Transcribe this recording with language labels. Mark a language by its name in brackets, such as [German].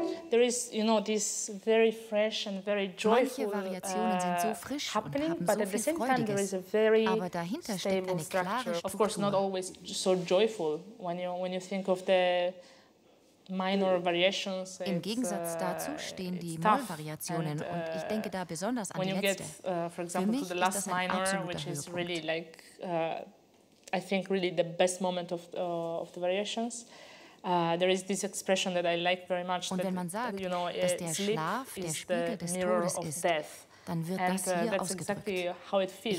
[English] There is, you know, this very fresh and very joyful. [German] Manche Variationen sind so frisch und haben so viel Freudiges. Aber dahinter steckt eine klare Struktur. [English] Of course, not always so joyful when you think of the minor variations. [German] Im Gegensatz dazu stehen die Moll-Variationen und ich denke da besonders an die letzte. [English] For example, [German] für mich ist das ein absoluter [English] minor, [German] Höhepunkt. [English] Which is really like, I think really the best moment of the variations. There is this expression that I like very much. [German] Und wenn man sagt, [English] that, you know, [German] dass der Schlaf der Spiegel des Todes ist, dann wird das hier ausgedrückt. [English] Exactly how it feels,